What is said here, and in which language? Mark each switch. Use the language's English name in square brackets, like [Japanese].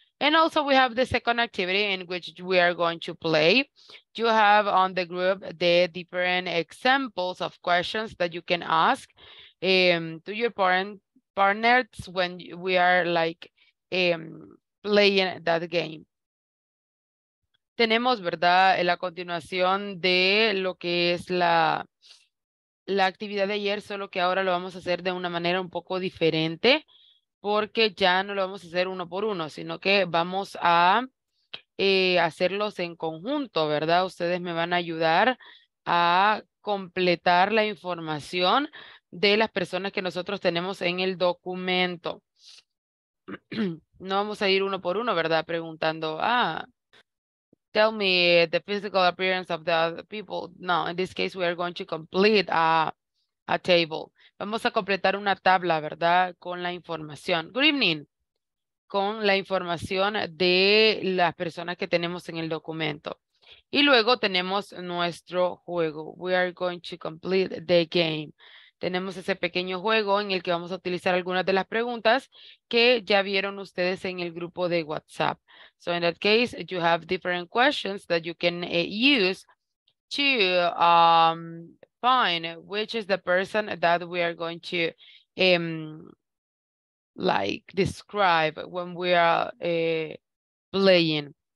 [English] And also we have the second activity in which we are going to play. You have on the group the different examples of questions that you can ask to your partners when we are like playing that game. [Spanish] Tenemos, ¿verdad?, la continuación de lo que es la actividad de ayer, solo que ahora lo vamos a hacer de una manera un poco diferente, porque ya no lo vamos a hacer uno por uno, sino que vamos a hacerlos en conjunto, ¿verdad? Ustedes me van a ayudar a completar la información de las personas que nosotros tenemos en el documento. No vamos a ir uno por uno, ¿verdad?, preguntando, ah, [English] tell me the physical appearance of the other people. No, in this case, we are going to complete a table. [Spanish] Vamos a completar una tabla, ¿verdad? Con la información. [English] Good evening. [Spanish] Con la información de las personas que tenemos en el documento. Y luego tenemos nuestro juego. [English] We are going to complete the game. [Spanish] Tenemos ese pequeño juego en el que vamos a utilizar algunas de las preguntas que ya vieron ustedes en el grupo de WhatsApp. [English] So in that case, you have different questions that you can use to find which is the person that we are going to like describe when we are playing.